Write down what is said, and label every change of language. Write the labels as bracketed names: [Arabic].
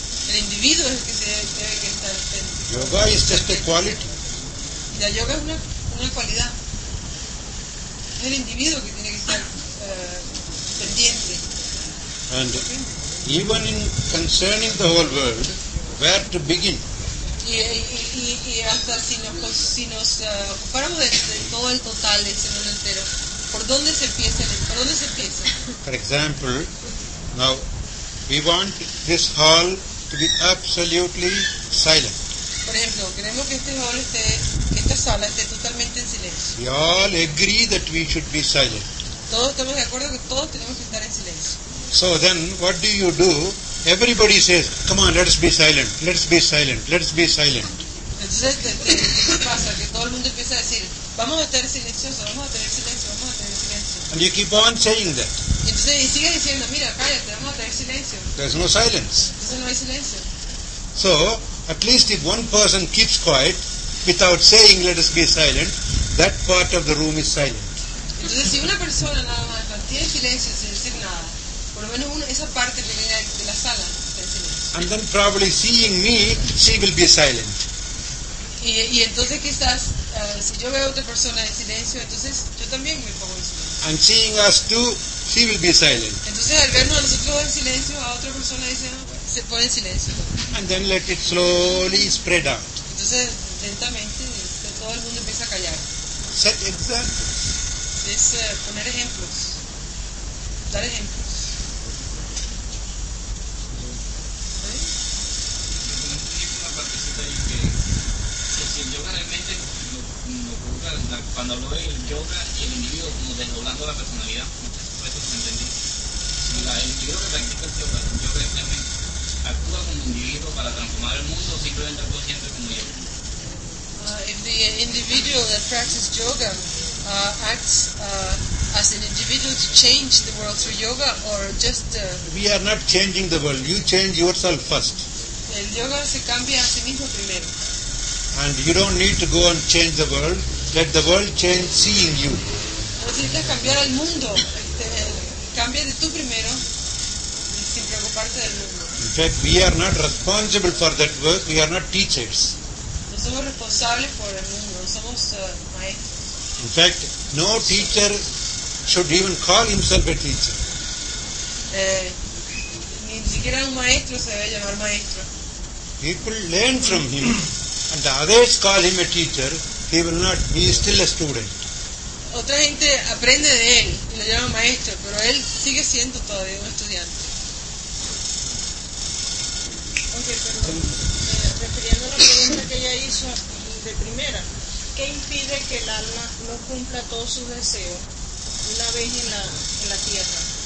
[Spanish] El individuo es el que debe que estar atento. [English] Yoga is just a quality. [Spanish] La yoga es una cualidad. Es el individuo que tiene que estar pendiente. [English] And even in concerning the whole world, where to begin? [Spanish] Y hasta si nos ocupáramos de todo el total, del mundo entero. ¿Por dónde se empieza? [English] For example, now, We want this hall to be absolutely silent. [Spanish] Por ejemplo, queremos que este hall esté, que esta sala esté totalmente en silencio. [English] We all agree that we should be silent. [Spanish] Todos estamos de acuerdo que todos tenemos que estar en silencio. [English] So then, what do you do? Everybody says, come on, let's be silent, let's be silent, let's be silent. [Spanish] Entonces, ¿qué pasa? Que todo el mundo empieza a decir, vamos a estar silenciosos, vamos a tener silencio, vamos a tener silencio. [English] And you keep on saying that. [Spanish] Entonces, y sigue diciendo, mira, cállate, vamos a tener silencio. [English] There's no silence. [Spanish] Entonces, no hay silencio. [English] So, at least if one person keeps quiet, without saying, let us be silent, that part of the room is silent. [Spanish] Entonces, si una persona nada más mantiene silencio sin decir nada, por lo menos uno, esa parte pequeña de la sala está en silencio. [English] And then probably seeing me, she will be silent. [Spanish] Y entonces quizás, si yo veo a otra persona en silencio, entonces yo también me pongo en silencio. [English] And seeing us too, she will be silent. [Spanish] Entonces al vernos a nosotros en silencio, a otra persona dice, se pone en silencio. [English] And then let it slowly spread out. [Spanish] Entonces lentamente todo el mundo empieza a callar. [English] Set examples. [Spanish] Es poner ejemplos. Dar ejemplos. Cuando hablo del yoga y el individuo como desdoblando la personalidad, por eso se entendí. El individuo que practica el yoga, el yoga también actúa como individuo para transformar el mundo, simplemente actúa siempre como yo. [English] If the individual that practices yoga acts as an individual to change the world through yoga, or just we are not changing the world. You change yourself first. [Spanish] El yoga se cambia a sí mismo primero. [English] And you don't need to go and change the world. Let the world change seeing you. [Spanish] No necesitas cambiar al mundo. Cambia de tú primero, sin preocuparte del mundo. [English] In fact, we are not responsible for that work. We are not teachers. [Spanish] No somos responsables por el mundo. No somos maestros. [English] In fact, no teacher should even call himself a teacher. [Spanish] Ni siquiera un maestro se debe llamar maestro. [English] People learn from him. And the others call him a teacher, he will not, he is still a student. [Spanish] Otra gente aprende de él, lo llama maestro, pero él sigue siendo todavía un estudiante. Ok, perdón. Refiriendo a la pregunta que ella hizo de primera, ¿qué impide que el alma no cumpla todos sus deseos una vez en la tierra?